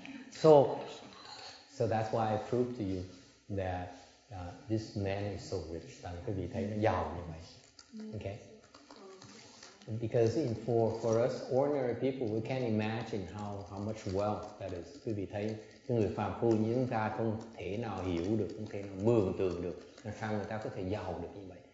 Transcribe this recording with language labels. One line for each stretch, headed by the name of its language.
English: So that's why I proved to you that this man is so rich.
Vietnamese: Tại cái vị thấy nó giàu như vậy. Okay.
English: Because for us ordinary people, we can't imagine how much wealth that is.
Vietnamese: Quý vị thấy, cái người phàm phu như chúng ta không thể nào hiểu được, không thể nào mường tượng được, làm sao người ta có thể giàu được như vậy.